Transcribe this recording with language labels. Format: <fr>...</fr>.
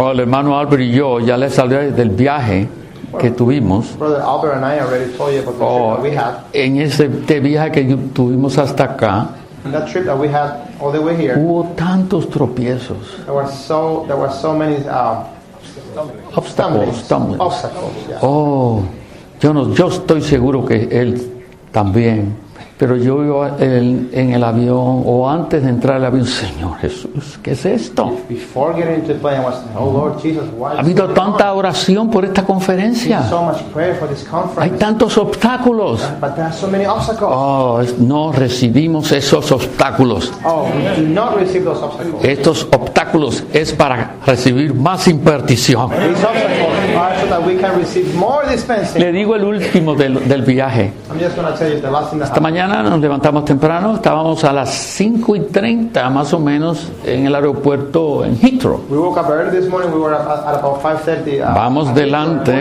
<es>Oh, el hermano Albert y yo ya les salió del viaje que tuvimos.</es> <en>Brother Albert and I already told you about the trip that we had.</en> <es>En ese viaje que tuvimos hasta acá,</es> <en>that trip that we had all the way here,</en> <es>hubo tantos tropiezos.</es> <en>There were so many obstacles. Yeah.</en> <es>Oh, yo estoy seguro que él también. Pero yo iba en el avión o antes de entrar al avión, Señor Jesús, ¿qué es esto?</es> <en>Before getting into the plane, I was saying, oh Lord Jesus, why?</en> <es>Ha habido tanta oración por esta conferencia.</es> <en>So much prayer for this conference.</en> <es>Hay tantos obstáculos.</es> <en>But there are so many obstacles.</en> <es>Oh, no recibimos esos obstáculos.</es> <en>Oh, we do not receive those obstacles.</en> <es>Estos obstáculos es para recibir más impartición.</es> <en>These obstacles are so that we can receive more dispensing.</en> <es>Le digo el último del viaje.</es> <en>I'm just going to tell you the last thing that happened.</en> <es>Mañana nos levantamos temprano, estábamos a las 5:30 más o menos en el aeropuerto en Heathrow.</es> <en>We woke up early this morning, we were at about 5:30.</en>